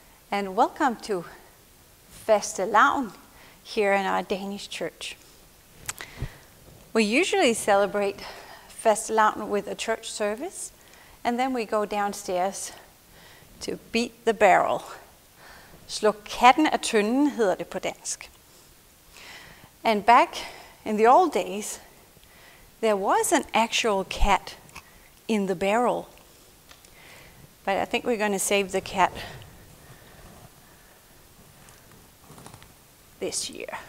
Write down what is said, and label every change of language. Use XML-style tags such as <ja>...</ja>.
<en>And welcome to Fastelavn here in our Danish church. We usually celebrate Fastelavn with a church service, and then we go downstairs to beat the barrel.</en> <da>Slår katten af tønden hedder det på dansk.</da> <en>And back in the old days, there was an actual cat in the barrel. But I think we're going to save the cat this year.</en>